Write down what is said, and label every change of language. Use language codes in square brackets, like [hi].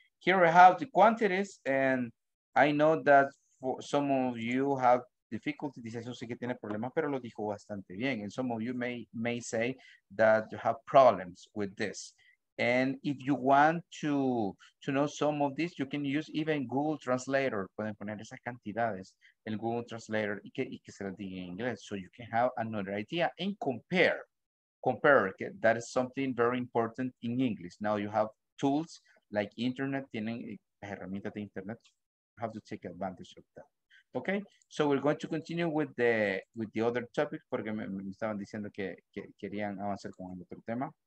[en] Here we have the quantities, and I know that for some of you have difficulties. [es] Dice, eso sí que tiene problemas, pero lo dijo bastante bien. [en] And some of you may say that you have problems with this. And if you want to know some of this, you can use even Google Translator. [es] Pueden poner esas cantidades en Google Translator y que se las diga en inglés. [en] So you can have another idea and compare. Compare, okay? That is something very important in English. Now you have tools. Like internet, [es] tienen herramientas de internet. [en] Have to take advantage of that. Okay, so we're going to continue with the other topic [es] porque me estaban diciendo que querían avanzar con el otro tema.